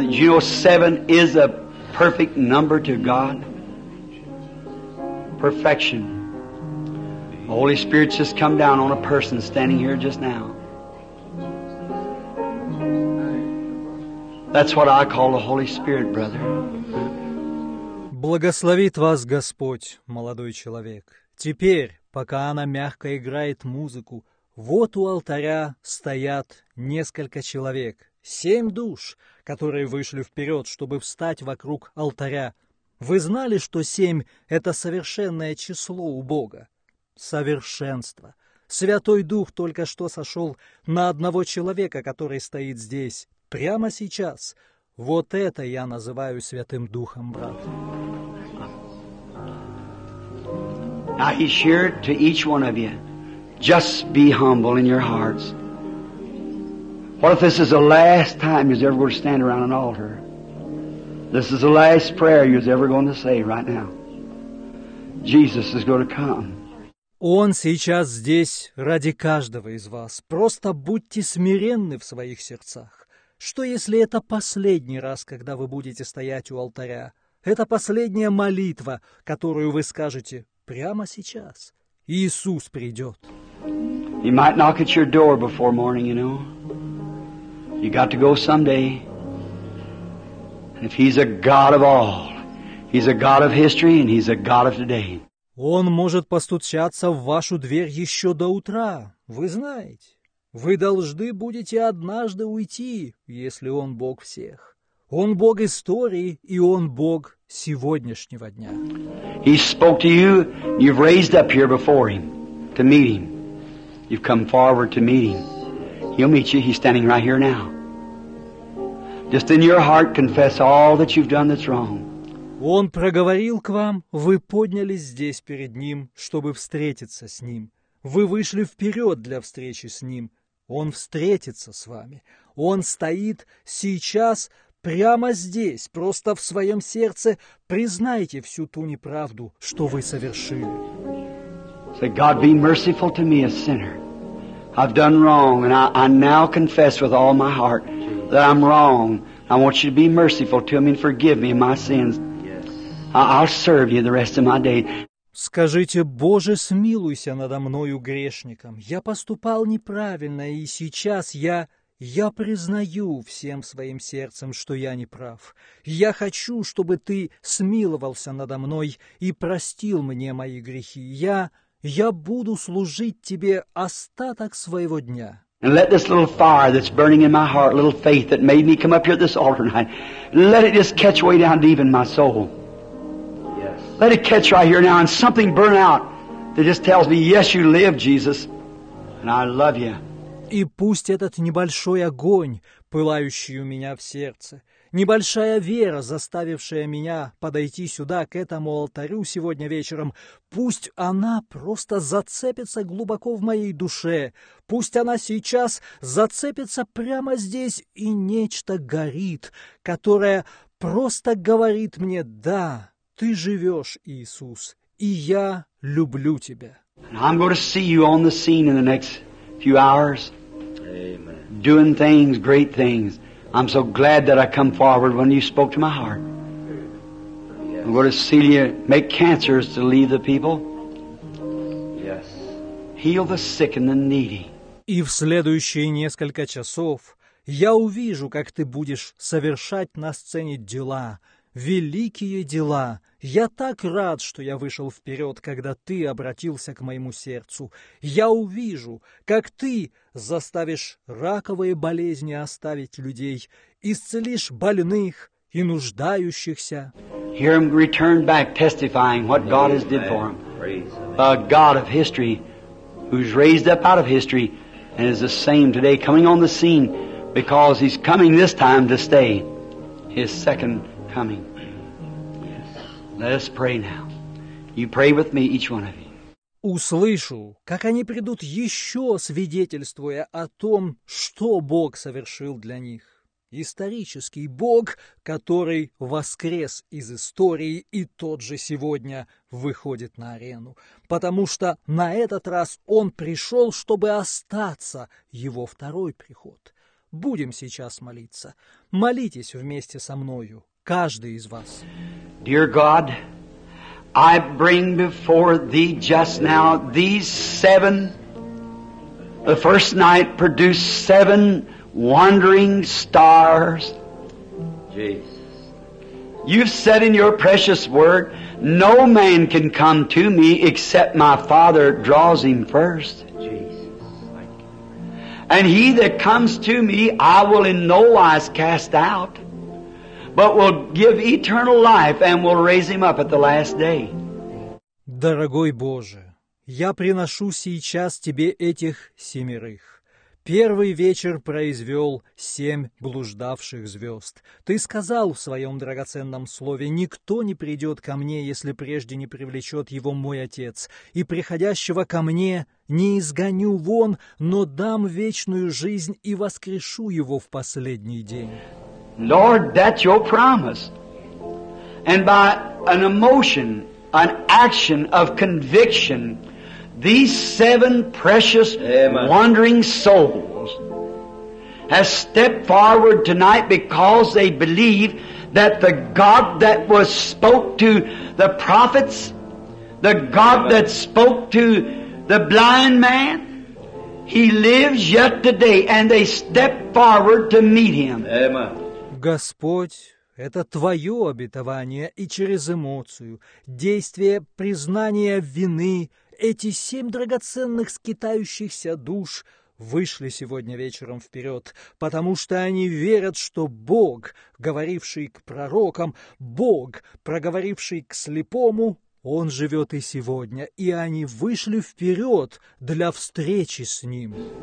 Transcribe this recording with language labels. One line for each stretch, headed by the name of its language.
English: Did you know seven is a perfect number to God? Perfection. The Holy Spirit's just come down on a person standing here just now. That's what I call the Holy Spirit, brother.
Russian: Благословит вас Господь, молодой человек. Теперь, пока она мягко играет музыку, вот у алтаря стоят несколько человек, семь душ, которые вышли вперед, чтобы встать вокруг алтаря. Вы знали, что семь – это совершенное число у Бога? Совершенство. Святой Дух только что сошел на одного человека, который стоит здесь. Прямо сейчас. Вот это я называю Святым Духом, брат.
English: Now he's here to each one of you. Just be humble in your hearts. What if this is the last time you're ever going to stand around an altar? This is the last prayer you're ever going to say right now. Jesus is going to come.
Russian: Он сейчас здесь ради каждого из вас. Просто будьте смиренны в своих сердцах. Что если это последний раз, когда вы будете стоять у алтаря? Это последняя молитва, которую вы скажете прямо сейчас. Иисус придет.
English: He might knock at your door before morning, you know. You got to go someday. And if he's a God of all, he's a God of history and he's a God of today.
Russian: Он может постучаться в вашу дверь еще до утра. Вы знаете, вы должны будете однажды уйти, если Он Бог всех. Он Бог истории, и Он Бог сегодняшнего дня.
English: He spoke to you, you've raised up here before Him, to meet Him. You've come forward to meet Him. He'll meet you, He's standing right here now. Just in your heart, confess all that you've done that's wrong.
Russian: Он проговорил к вам, вы поднялись здесь перед Ним, чтобы встретиться с Ним. Вы вышли вперед для встречи с Ним. Он встретится с вами. Он стоит сейчас прямо здесь, просто в своем сердце. Признайте всю ту неправду, что вы совершили.
English: Say, God, be merciful to me, a sinner. I've done wrong, and I now confess with all my heart that I'm wrong. I want you to be merciful to me and forgive me of my sins. I'll serve you the rest of my day.
Russian: Скажите, Боже, смилуйся надо мною грешником. Я поступал неправильно, и сейчас я признаю всем своим сердцем, что я неправ. Я хочу, чтобы ты смиловался надо мной и простил мне мои грехи. Я буду служить тебе остаток своего дня.
English: And let this little fire that's burning in my heart, little faith that made me come up here at this altar tonight, let it just catch way down deep in my soul. Let it catch right here now and something burn out that just tells me, yes, you live, Jesus, and I love you.
Russian: И пусть этот небольшой огонь, пылающий у меня в сердце, небольшая вера, заставившая меня подойти сюда, к этому алтарю сегодня вечером, пусть она просто зацепится глубоко в моей душе. Пусть она сейчас зацепится прямо здесь, и нечто горит, которое просто говорит мне «да». Ты живешь, Иисус, и я люблю тебя.
English: I'm going to see you on the scene in the next few hours. Amen. Doing things, great things. I'm so glad that I come forward when you spoke to my heart. Yes. I'm going to see you make cancers to leave the people. Yes. Heal the sick and the needy.
Russian: И в следующие несколько часов я увижу, как ты будешь совершать на сцене дела. Великие дела! Я так рад, что я вышел вперед, когда ты обратился к моему сердцу. Я увижу, как ты заставишь раковые болезни оставить людей, исцелишь больных и нуждающихся.
English: Hear him return back testifying what God has did for him. A God of history, who's raised up out of history, and is the same today, coming on the scene, because he's coming this time to stay. His second coming. Let us pray now. You pray with me, each one of you.
Russian: Услышу, как они придут еще свидетельствуя о том, что Бог совершил для них. Исторический Бог, который воскрес из истории и тот же сегодня выходит на арену. Потому что на этот раз Он пришел, чтобы остаться Его второй приход. Будем сейчас молиться. Молитесь вместе со мною. Каждый из вас.
English: Dear God, I bring before Thee just now these seven. The first night produced seven wandering stars. Jesus. You've said in Your precious word, no man can come to Me except My Father draws him first. Jesus. And he that comes to Me, I will in no wise cast out. But will give eternal life and will raise him up at the last day.
Russian: Дорогой Боже, я приношу сейчас Тебе этих семерых. Первый вечер произвел 7 блуждавших звезд. Ты сказал в своем драгоценном слове: «Никто не придет ко мне, если прежде не привлечет его мой Отец, и приходящего ко мне не изгоню вон, но дам вечную жизнь и воскрешу его в последний день».
English: Lord, that's your promise. And by an emotion, an action of conviction, these 7 precious wandering souls have stepped forward tonight because they believe that the God that was spoke to the prophets, the God that spoke to the blind man, he lives yet today, and they step forward to meet him. Amen.
Russian: Господь, это Твое обетование, и через эмоцию, действие признания вины, эти 7 драгоценных скитающихся душ вышли сегодня вечером вперед, потому что они верят, что Бог, говоривший к пророкам, Бог, проговоривший к слепому, Он живет и сегодня, и они вышли вперед для встречи с Ним.